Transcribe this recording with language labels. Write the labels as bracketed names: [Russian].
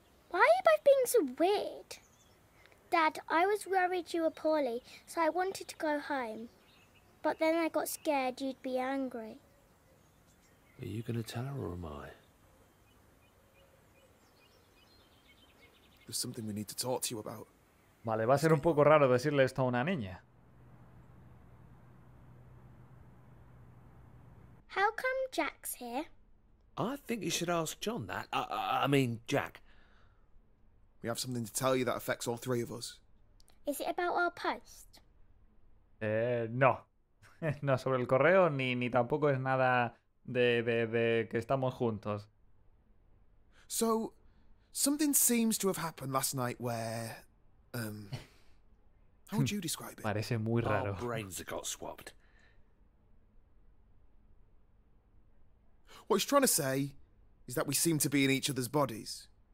[English] Why are you both being so weird? Dad, I was worried you were poorly, so I wanted to go home. But then I got scared you'd be angry. Are you going to tell her or am I? There's something we need to talk to you about. [Spanish] Vale, va a ser un poco raro decirle esto a una niña. [English] How come Jack's here? I think you should ask John that. I mean, Jack. We have something to tell you that affects all three of us. Is it about our post? No. [Spanish] No sobre el correo, ni tampoco es nada de que estamos juntos. [English] So, something seems to have happened last night where... how would you describe it? [Spanish] Parece muy raro. [English] Our brains have got swapped. What he's trying to say is that we seem to be in each other's bodies.